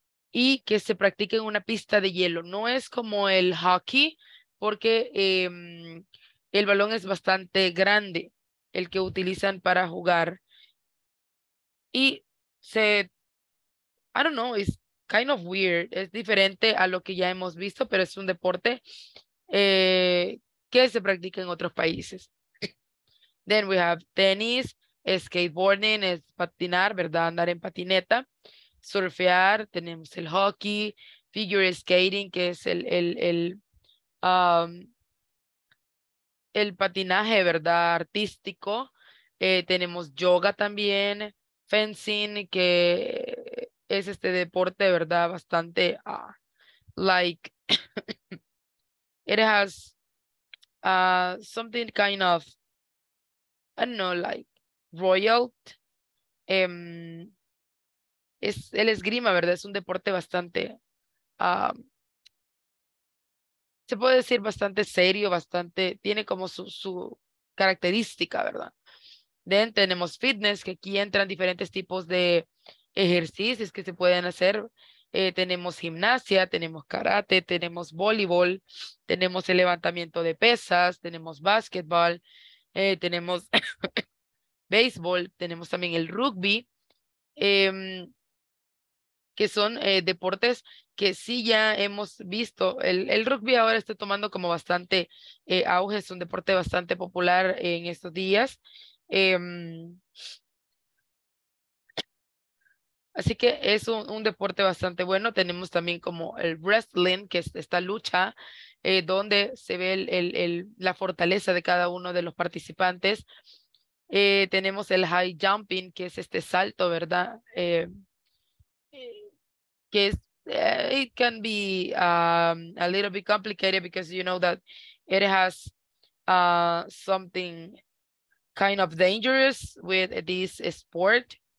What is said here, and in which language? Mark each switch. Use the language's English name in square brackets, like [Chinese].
[Spanish] y que se practique en una pista de hielo. No es como el hockey, porque el balón es bastante grande, el que utilizan para jugar. [English] Y se, I don't know, it's kind of weird. [Spanish] Es diferente a lo que ya hemos visto, pero es un deporte que se practica en otros países. [English] Then we have tennis, skateboarding, [Spanish] es patinar, ¿verdad? Andar en patineta. Surfear, tenemos el hockey. Figure skating, que es el patinaje, ¿verdad? Artístico. Tenemos yoga también. Fencing, que es este deporte, ¿verdad? [English] Bastante, like, it has something kind of, I don't know, like, royal. [Spanish] Es el esgrima, ¿verdad? Es un deporte bastante, se puede decir bastante serio, bastante, tiene como su característica, ¿verdad? Then tenemos fitness, que aquí entran diferentes tipos de ejercicios que se pueden hacer. Tenemos gimnasia, tenemos karate, tenemos voleibol, tenemos el levantamiento de pesas, tenemos básquetbol, tenemos béisbol, tenemos también el rugby, que son deportes que sí ya hemos visto. El rugby ahora está tomando como bastante auge, es un deporte bastante popular en estos días. Así que es un deporte bastante bueno. Tenemos también como el wrestling, que es esta lucha donde se ve la fortaleza de cada uno de los participantes. Tenemos el high jumping, que es este salto, ¿verdad? [English] Que es, it can be a little bit complicated because you know that it has something kind of dangerous with this sport.